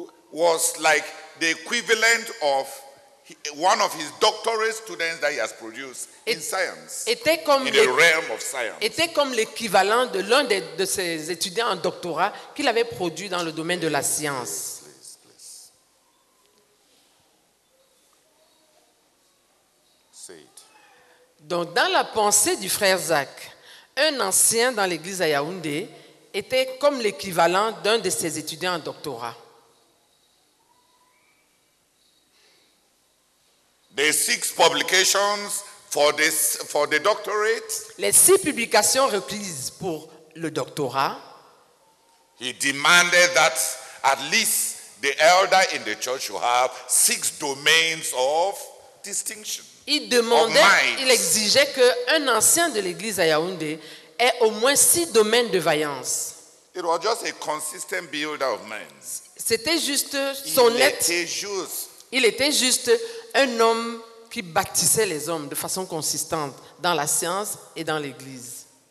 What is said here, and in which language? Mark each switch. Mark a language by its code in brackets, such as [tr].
[en] was like the equivalent of one of his doctorate students that he has produced in science. [fr] Était comme [en] in the realm of science. [fr] Était comme l'équivalent de l'un de ses étudiants en doctorat qu'il avait produit dans le domaine [en] please, [fr] de la science. [en] Say it. [fr] Donc, dans la pensée du frère Zach, un ancien dans l'église à Yaoundé était comme l'équivalent d'un de ses étudiants en doctorat. [en] The six publications for the doctorate. [fr] Les six publications requises pour le doctorat. [en] He demanded that at least the elder in the church should have six domains of distinction. [fr] Il demandait, il exigeait que un ancien de l'église à Yaoundé ait au moins six domaines de vaillance. [en] It was just a consistent builder of minds. [fr] C'était juste son être. Il était juste un homme qui bâtissait les hommes de façon consistante dans la science et dans l'église.